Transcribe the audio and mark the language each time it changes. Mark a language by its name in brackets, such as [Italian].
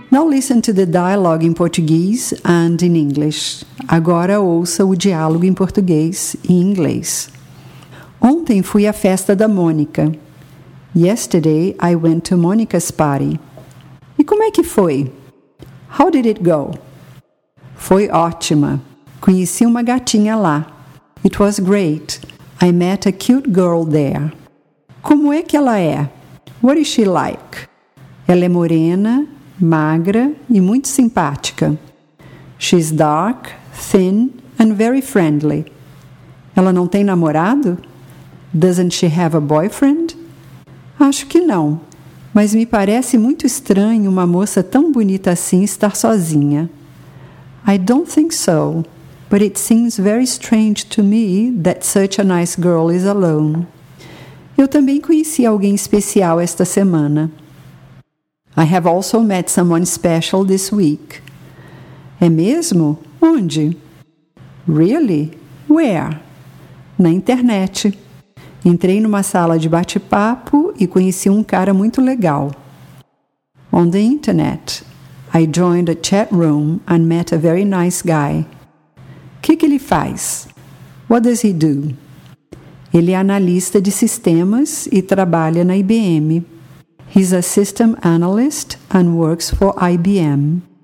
[English] Listen to the dialogue in Portuguese and in English. [Portuguese] Agora ouça o diálogo em português e inglês. Ontem fui à festa da Mônica. [English] Yesterday I went to Monica's party. [Portuguese] E como é que foi? [English] How did it go? [Portuguese] Foi ótima. Conheci uma gatinha lá. [English] It was great. I met a cute girl there. [Portuguese] Como é que ela é? [English] What is she like? [Portuguese] Ela é morena, magra e muito simpática. [English] She's dark, thin and very friendly. [Portuguese] Ela não tem namorado? [English] Doesn't she have a boyfriend? [Portuguese] Acho que não, mas me parece muito estranho uma moça tão bonita assim estar sozinha. [English] I don't think so, but it seems very strange to me that such a nice girl is alone. [Portuguese] Eu também conheci alguém especial esta semana. [English] I have also met someone special this week. [Portuguese] É mesmo? Onde? [English] Really? Where? [Portuguese] Na internet. Entrei numa sala de bate-papo e conheci um cara muito legal. [English] On the internet. I joined a chat room and met a very nice guy. [Portuguese] Que ele faz? [English] What does he do? [Portuguese] Ele é analista de sistemas e trabalha na IBM. [English] He's a system analyst and works for IBM.